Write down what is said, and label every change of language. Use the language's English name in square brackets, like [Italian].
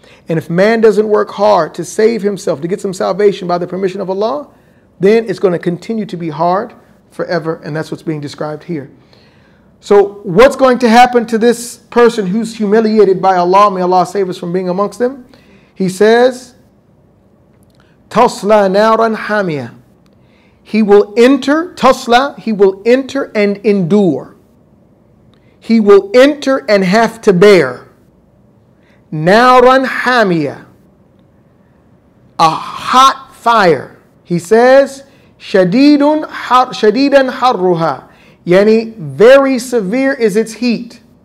[English] And if man doesn't work hard to save himself, to get some salvation by the permission of Allah, then it's going to continue to be hard forever, and that's what's being described here. So what's going to happen to this person who's humiliated by Allah, may Allah save us from being amongst them? He says, [Arabic] تَصْلَى نَارًا حَامِيًا. [English] He will enter, tasla, he will enter and endure. He will enter and have to bear. [Arabic] Naran hamia, [English] a hot fire. He says, [Arabic] shadidan harruha, [English] yani very severe is its heat.